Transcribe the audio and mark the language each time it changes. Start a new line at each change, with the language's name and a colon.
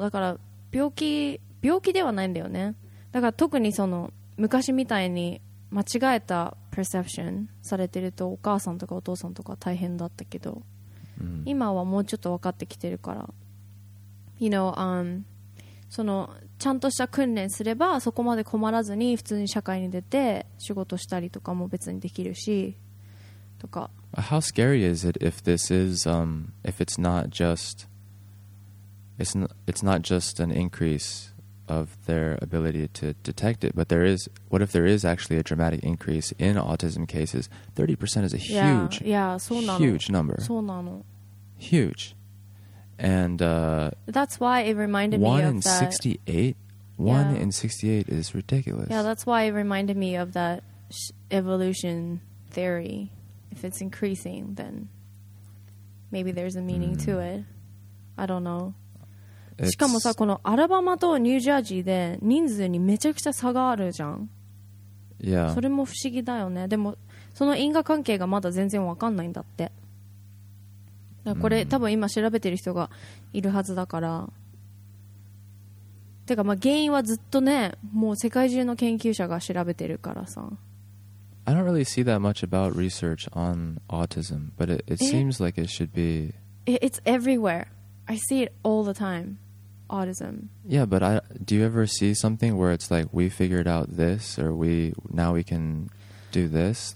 Japanese: だから病気ではないんだよね。だから特にその昔みたいに間違えたプレセプションされてるとお母さんとかお父さんとか大変だったけど、うん、今はもうちょっと分かってきてるから
English: you know,、
Japanese: そのちゃんとした訓練すればそこまで困らずに普通に社会に出て仕事したりとかも別にできるしとか。
English: How scary is it if this is、if it's not just it's not just an increaseof their ability to detect it, but there is, what if there is actually a dramatic increase in autism cases? 30% is a huge,
Japanese: yeah, そうなの。
English: huge number.
Japanese: そうなの。
English: Huge. And that's why it reminded me of that. 1 in 68 is ridiculous. Yeah, that's why it reminded me of that evolution theory. If it's increasing, then maybe there's a meaning to it. I don't know.
Japanese: しかもさ、このアラバマとニュージャージーで人数にめちゃくちゃ差があるじゃん。
English: Yeah.
Japanese: それも不思議だよね。でもその因果関係がまだ全然わかんないんだって。だからこれ、mm-hmm. 多分今調べてる人がいるはずだから。てかまあ原因はずっとね、もう世界中の研究者が調べてるからさ。
English: I don't really see that much about research on autism, but it seems like it should be. It's everywhere. I see it all the time, autism. Yeah, but do you ever see something where it's like, we figured out this, or now we can do this?